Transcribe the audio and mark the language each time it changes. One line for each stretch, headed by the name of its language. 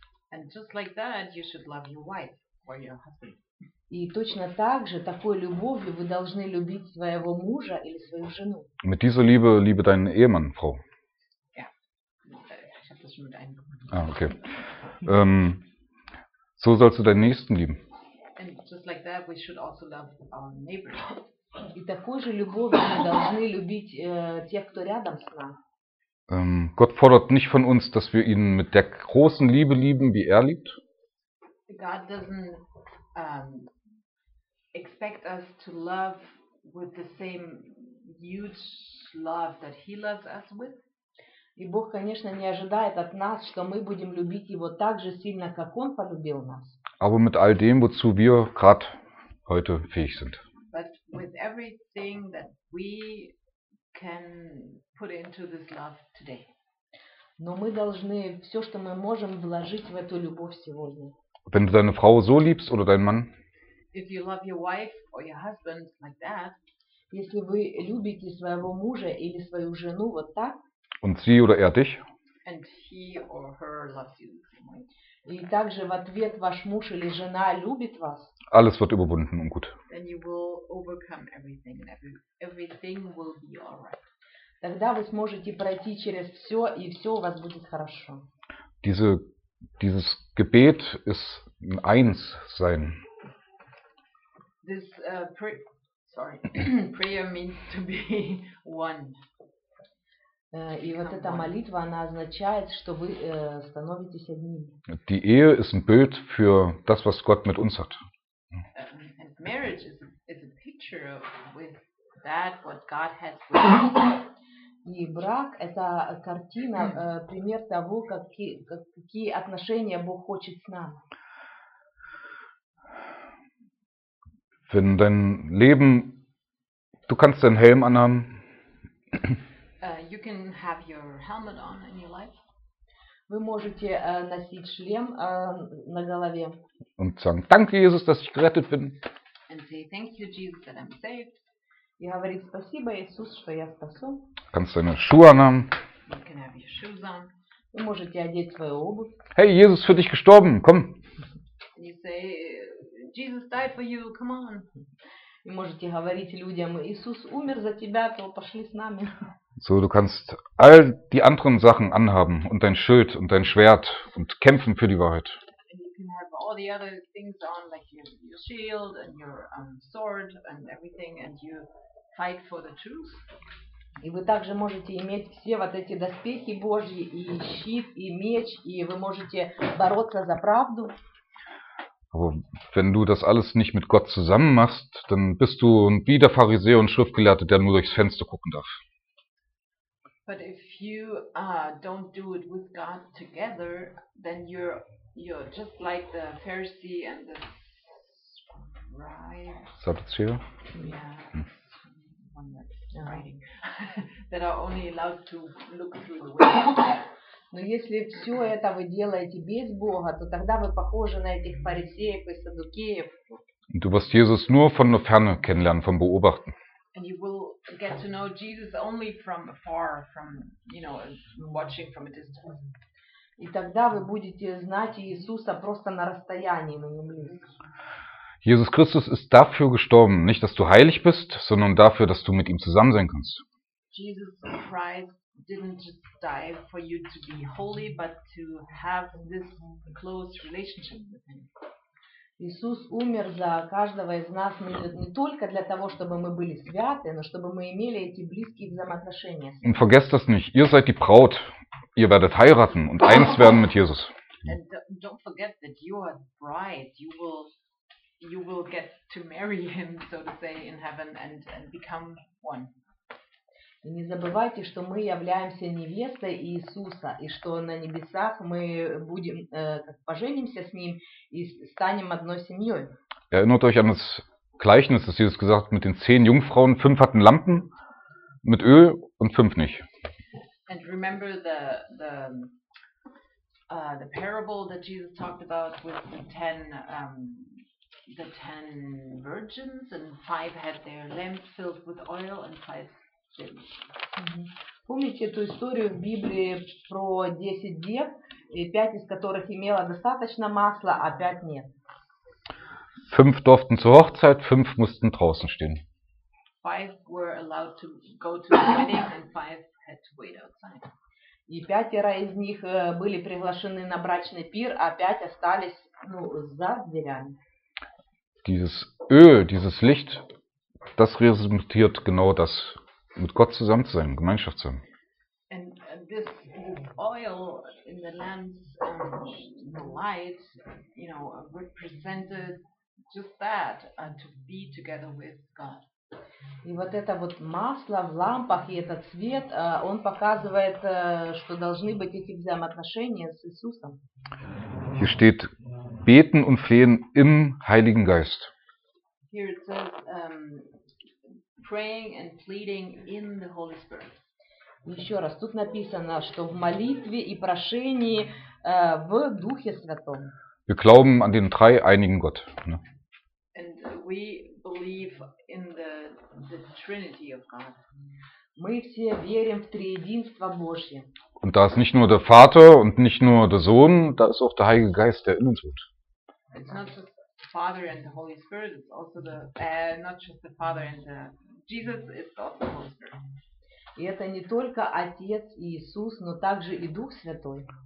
English: And just like that, you should love your wife or your husband.
Russian: И точно так же, такой любовью вы должны любить своего мужа или свою жену.
German: Mit dieser Liebe liebe deinen Ehemann, Frau. Ja. Ich habe das schon mit einem.
English: Ah, okay.
German: So sollst du deinen Nächsten lieben.
English: And just like that, we should also love our neighbors.
Russian: И такой же любовью мы должны любить тех, кто рядом с нами.
German: Gott fordert nicht von uns, dass wir ihn mit der großen Liebe lieben, wie er liebt.
English: God doesn't expect us to love with the same huge love that he loves us with.
Russian: И Бог, конечно, не ожидает от нас, что мы будем любить его так же сильно, как он полюбил нас.
German: Aber mit all dem, wozu wir gerade heute fähig sind.
English: But with everything that we can put into this love today.
Russian: Но мы должны все, что мы можем, вложить в эту любовь сегодня.
German: Wenn du deine Frau so liebst oder deinen Mann.
English: If you love your wife or your husband like that.
Russian: Если вы любите своего мужа или свою жену вот так.
German: Und sie oder er dich.
English: And he or her loves you.
Russian: И также в ответ ваш муж или жена любит вас.
German: Alles wird überwunden und gut.
English: Then you will overcome everything and everything will be all right.
Russian: Тогда вы сможете пройти через все, и все у вас будет хорошо.
German: Dieses Gebet ist eins sein.
English: This sorry, prayer means to be one.
Russian: И вот эта молитва, она означает, что вы становитесь одним.
German: Die Ehe ist ein Bild für das, was Gott mit uns hat.
English: Marriage is a picture of with that what God has with us.
Russian: И брак – это картина, пример того, какие отношения Бог хочет с нами.
German: Wenn dein Leben, du kannst deinen Helm anhaben.
English: You can have your helmet on in your life.
Russian: Вы можете носить шлем на голове.
German: Und sagen, danke Jesus, dass ich gerettet bin.
English: And say, thank you Jesus that I'm saved.
Russian: И говорить, спасибо Иисус, что я спасен.
German: Kannst deine Schuhe anhaben.
English: You can have your shoes on.
Russian: Вы можете одеть свою обувь.
German: Hey Jesus, für dich gestorben, komm.
English: And you say, Jesus died for you, come on.
Russian: И можете говорить людям, Иисус умер за тебя, то пошли с нами.
German: So, du kannst all die anderen Sachen anhaben und dein Schild und dein Schwert und kämpfen für die Wahrheit.
English: And you can have all the other things on, like your shield and your sword and everything, and you fight for the truth.
Russian: И вы также можете иметь все вот эти доспехи Божьи, и щит, и меч, и вы можете бороться за правду.
German: Aber wenn du das alles nicht mit Gott zusammen machst, dann bist du wie der Pharisäer und Schriftgelehrte, der nur durchs Fenster gucken darf.
English: But if you don't do it with God together, then you're just like the Pharisee and the scribe. Sadducee. Yeah. One that's writing. That are only allowed to look through the window.
Russian: Но если все это вы делаете без Бога, то тогда вы похожи на этих фарисеев и саддукеев.
German: Du wirst Jesus nur von der Ferne kennenlernen, vom Beobachten.
English: And you will get to know Jesus only from afar, from, you know, watching from a distance.
Russian: И тогда вы будете знать Иисуса просто на расстоянии, но не близко.
German: Jesus Christus ist dafür gestorben, nicht dass du heilig bist, sondern dafür, dass du mit ihm zusammen sein kannst.
English: Jesus Christ didn't just die for you to be holy, but to have this close relationship with him.
Russian: Иисус умер за каждого из нас не только для того, чтобы мы были святы, но чтобы мы имели эти близкие взаимоотношения.
German: Und vergesst das nicht, ihr seid die Braut, ihr werdet heiraten und eins werden mit Jesus.
English: And don't forget that you are the bride, you will get to marry him, so to say, in heaven and become one.
Russian: И не забывайте, что мы являемся невестой Иисуса, и что на небесах мы будем поженимся с ним и станем одной семьей.
German: Erinnert euch an das Gleichnis, das Jesus gesagt mit den 10 Jungfrauen, 5 hatten Lampen mit Öl und 5 nicht.
English: And remember the parable that Jesus talked about with the ten virgins and 5 had their lamps filled with oil and 5 Mm-hmm.
Russian: Помните эту историю в Библии про 10 дев, и 5 из которых имело достаточно масла, а 5 нет.
German: 5 durften zur Hochzeit, 5 mussten draußen stehen.
English: 5 were allowed to go to the wedding and 5 had to wait outside.
Russian: И 5 из них были приглашены на брачный пир, а 5 остались, ну, за дверями.
German: Dieses Öl, dieses Licht, das repräsentiert genau das. Mit Gott zusammen zu sein, Gemeinschaft zu haben.
English: And this oil in the lamps and the light, you know, represented just that, to be together with God.
Russian: И вот это вот масло в лампах и этот свет, он показывает, что должны быть эти взаимоотношения с Иисусом.
German: Hier steht beten und flehen im Heiligen Geist.
English: Here it says, praying and pleading in the Holy Spirit.
Russian: Еще раз, тут написано, что в молитве и прошении в Духе Святом.
German: Wir glauben an den drei einigen Gott. Ne?
English: And we believe in the Trinity of God.
Russian: Мы все верим в триединство Божье.
German: Und da ist nicht nur der Vater und nicht nur der Sohn, da ist auch der Heilige Geist, der in uns wohnt.
English: It's not just the Father and the Holy Spirit, it's also the not just the Father and the Jesus is also the Holy Spirit.
Russian: И это не только Отец Иисус, но также и Дух Святой,